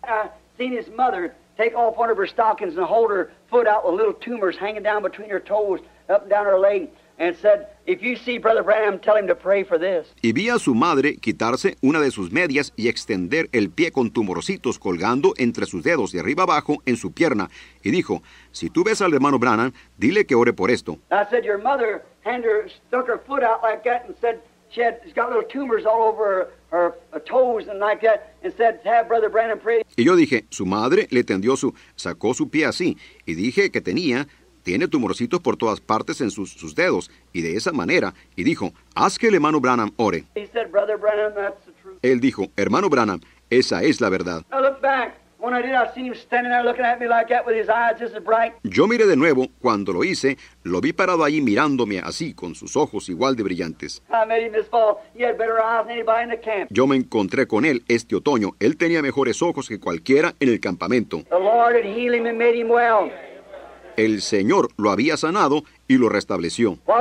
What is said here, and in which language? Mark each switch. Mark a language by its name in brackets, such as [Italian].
[English] I seen his mother take off one of her stockings and hold her foot out with little tumors hanging down between her toes, up and down her leg, and said, if you see Brother Branham, tell him to pray for this. [Spanish] Y vi a su madre quitarse una de sus medias y extender el pie con tumorcitos colgando entre sus dedos de arriba abajo en su pierna. Y dijo, si tú ves al hermano Branham, dile que ore por esto. [English] I said, your mother and her stuck her foot out like that and said she's got little tumors all over her toes and like that and said have Brother Branham pray. [Spanish] Y yo dije, su madre le tendió sacó su pie así y dije que tiene tumorcitos por todas partes en sus dedos y de esa manera y dijo, haz que el hermano Branham ore. [English] He said, Brother Branham, that's the truth. [Spanish] Él dijo, hermano Branham, esa es la verdad. [English] I looked back. When I did, I seen him standing there looking at me like that with his eyes just as bright. [Spanish] Yo miré de nuevo cuando lo hice, lo vi parado allí mirándome así con sus ojos igual de brillantes. [English] I met him this fall. He had better eyes than anybody in the camp. [Spanish] Yo me encontré con él este otoño. Él tenía mejores ojos que cualquiera en el campamento. [English] The Lord had healed him and made him well. [Spanish] El Señor lo había sanado y lo restableció.